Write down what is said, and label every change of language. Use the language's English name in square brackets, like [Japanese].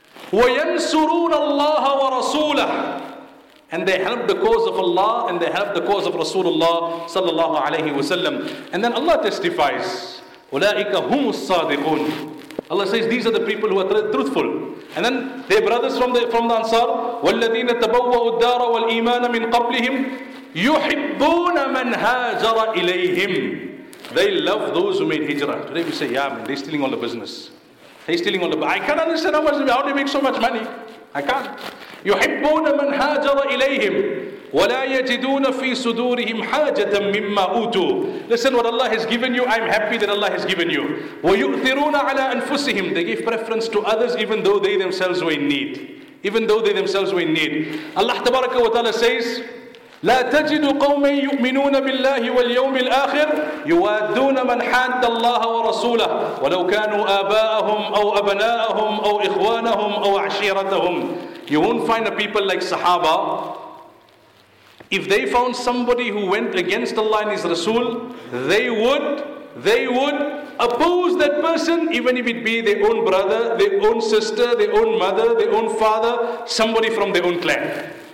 [Arabic] وَيَنْصُرُونَ اللَّهَ وَرَسُولَهُ. [English] And they help the cause of Allah, and they help the cause of Rasulullah sallallahu alayhi wa sallam. And then Allah testifies, [Arabic] أُولَٰئِكَ هُمُ الصَّادِقُونَ. [English] Allah says, these are the people who are truthful. And then their brothers from the Ansar, [Arabic] وَالَّذِينَ تَبَوَّأُوا الدَّارَ وَالْإِيمَانَ مِنْ قَبْلِهِمْ يُحِبُّونَ مَنْ هَاجَرَ إِلَيْهِمْ. [English] They love those who made hijrah. Today we say, yeah, man, they're stealing all the business. They're stealing all the business. I can't understand how they make so much money. I can't. [Arabic] يُحِبُّونَ مَنْ هَاجَرَ إِلَيْهِمْ وَلَا يَجِدُونَ فِي صُدُورِهِمْ حَاجَةً مِمَّا أُوتُوا. [English] Listen, what Allah has given you, I'm happy that Allah has given you. [Arabic] وَيُؤْثِرُونَ عَلَىٰ أَنفُسِهِمْ. [English] They give preference to others even though they themselves were in need. Even though they themselves were in need. Allah tabaraka wa ta'ala says, [Arabic] لَا تَجِدُ قَوْمًا يُؤْمِنُونَ بِاللَّهِ وَالْيَوْمِ الْآخِرِ يُوَادُّونَ مَنْ حَادَّ اللَّهَ وَرَسُولَهُ وَلَوْ كَانُوا آبَاءَهُمْ أَوْ أَبْنَاءَهُمْ أَوْ إِخْوَانَهُمْ أَوْ عَشِيرَتَهُمْ. [English] You won't find a people like Sahaba. If they found somebody who went against Allah and His Rasul, they would oppose that person, even if it be their own brother, their own sister, their own mother, their own father, somebody from their own clan.